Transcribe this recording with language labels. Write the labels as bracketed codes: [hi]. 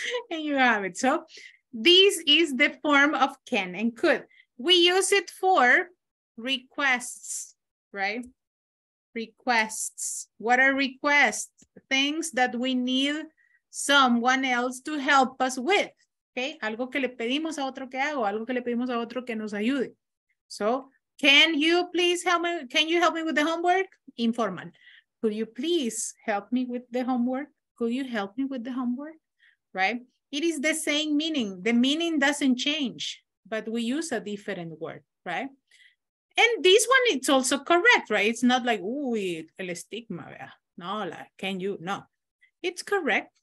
[en] And you have it. So this is the form of can and could. We use it for requests, right? Requests. What are requests? Things that we need someone else to help us with. [es] Okay, algo que le pedimos a otro que haga, algo que le pedimos a otro que nos ayude. [en] So, can you please help me? Can you help me with the homework? Informal. Could you please help me with the homework? Could you help me with the homework? Right? It is the same meaning. The meaning doesn't change, but we use a different word, right? And this one, it's also correct, right? It's not like, [es] el estigma, ¿verdad? [en] No, like, can you? No. It's correct.